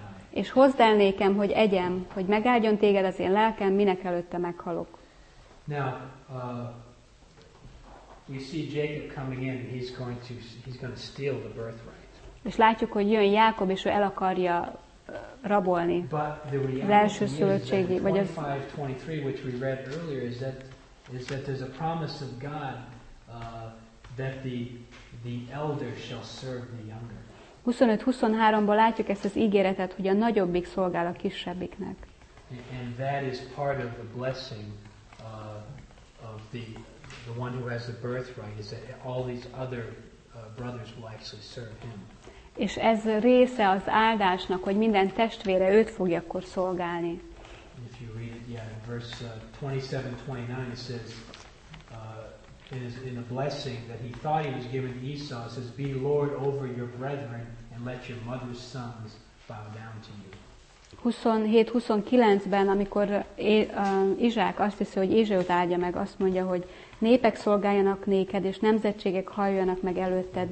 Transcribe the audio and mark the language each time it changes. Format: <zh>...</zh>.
<hu>És hozd el nékem, hogy egyem, hogy megáldjon téged az én lelkem, minek előtte meghalok.</hu> <en>Now, we see Jacob coming in, he's going to steal the birthright.</en> <hu>És látjuk, hogy jön Jákob, és ő el akarja rabolni az első szövetségi, vagy az</hu> <en>25:23, which we read earlier, is that there's a promise of God that the elder shall serve the younger.</en> <hu>25:23-ban látjuk ezt az ígéretet, hogy a nagyobbik szolgál a kisebbiknek.</hu> <en>And that is part of the blessing of the one who has the birthright, is that all these other brothers will actually serve him.</en> <hu>És ez része az áldásnak, hogy minden testvére őt fogja akkor szolgálni.</hu> <en>If you read it, yeah, in verse 27-29 it says, in a blessing that he thought he was giving Esau, it says, be Lord over your brethren and let your mother's sons bow down to you.</en> <hu>27-29-ben, amikor Izsák azt hiszi, hogy Ézsaut áldja meg, azt mondja, hogy népek szolgáljanak néked, és nemzetségek halljanak meg előtted.</hu>